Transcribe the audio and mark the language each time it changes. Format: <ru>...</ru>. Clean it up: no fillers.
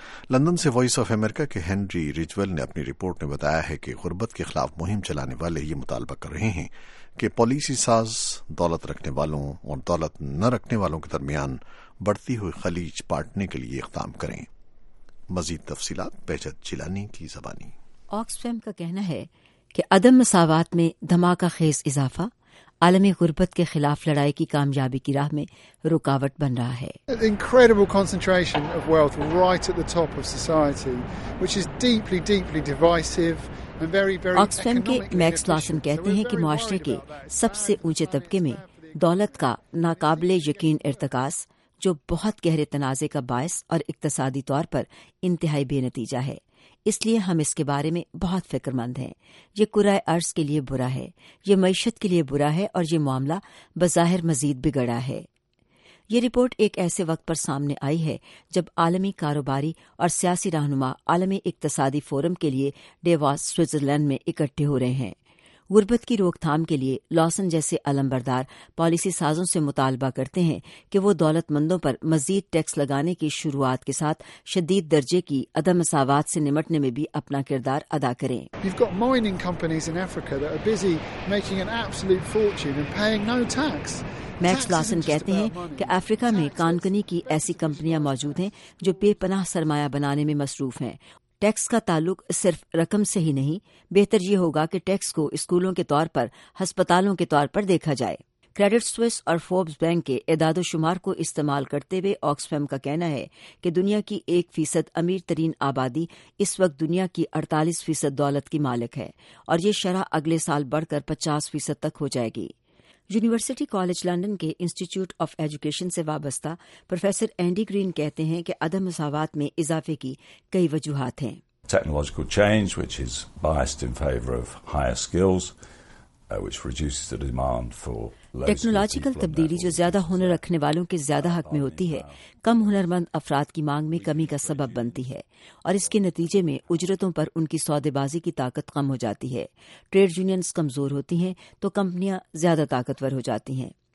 <ur>London سے voice of America کے Henry ریجویل نے اپنی رپورٹ میں بتایا ہے کہ غربت کے خلاف مہم چلانے والے یہ مطالبہ کر رہے ہیں کہ پالیسی ساز دولت رکھنے والوں اور دولت نہ رکھنے والوں کے درمیان بڑھتی ہوئی خلیج پاٹنے کے لیے اقدام کریں. مزید تفصیلات بہجت چلانی کی زبانی. آکسفیم کا کہنا ہے کہ عدم مساوات میں دھماکہ خیز اضافہ عالمی غربت کے خلاف لڑائی کی کامیابی کی راہ میں رکاوٹ بن رہا ہے.</ur> <en>Incredible concentration of wealth right at the top of society, which is deeply, deeply divisive.</en> <ur>Oxfam کے میکس لاسن کہتے ہیں کہ معاشرے کے سب سے اونچے طبقے میں دولت کا ناقابل یقین ارتکاز جو بہت گہرے تنازع کا باعث اور اقتصادی طور پر انتہائی بے نتیجہ ہے، اس لیے ہم اس کے بارے میں بہت فکر مند ہیں. یہ کرائے ارض کے لیے برا ہے، یہ معیشت کے لیے برا ہے، اور یہ معاملہ بظاہر مزید بگڑا ہے. یہ رپورٹ ایک ایسے وقت پر سامنے آئی ہے جب عالمی کاروباری اور سیاسی رہنما عالمی اقتصادی فورم کے لیے ڈیواس سوئٹزرلینڈ میں اکٹھے ہو رہے ہیں. غربت کی روک تھام کے لیے لاسن جیسے علمبردار پالیسی سازوں سے مطالبہ کرتے ہیں کہ وہ دولت مندوں پر مزید ٹیکس لگانے کی شروعات کے ساتھ شدید درجے کی عدم مساوات سے نمٹنے میں بھی اپنا کردار ادا کریں.</ur> <en>You've got mining companies in Africa that are busy making an absolute fortune and paying no tax.</en> <ur>Max Lawson کہتے ہیں کہ افریقہ میں کانکنی کی ایسی کمپنیاں موجود ہیں جو بے پناہ سرمایہ بنانے میں مصروف ہیں. ٹیکس کا تعلق صرف رقم سے ہی نہیں، بہتر یہ ہوگا کہ ٹیکس کو اسکولوں کے طور پر، ہسپتالوں کے طور پر دیکھا جائے. کریڈٹ سوئس اور فوربس بینک کے اعداد و شمار کو استعمال کرتے ہوئے آکسفیم کا کہنا ہے کہ دنیا کی 1% امیر ترین آبادی اس وقت دنیا کی 48% دولت کی مالک ہے، اور یہ شرح اگلے سال بڑھ کر 50% تک ہو جائے گی. یونیورسٹی کالج لندن کے انسٹیٹیوٹ آف ایجوکیشن سے وابستہ پروفیسر اینڈی گرین کہتے ہیں کہ عدم مساوات میں اضافے کی کئی وجوہات ہیں.</ur> <en>technological change which is biased in favour of higher skills which reduces the demand for</en> <ur>technological تبدیلی جو زیادہ ہنر رکھنے والوں کے زیادہ حق میں ہوتی ہے، کم ہنر مند افراد کی مانگ میں کمی کا سبب بنتی ہے، اور اس کے نتیجے میں اجرتوں پر ان کی سودے بازی کی طاقت کم ہو جاتی ہے. ٹریڈ یونینز کمزور ہوتی ہیں تو کمپنیاں زیادہ طاقتور ہو جاتی ہیں.</ur>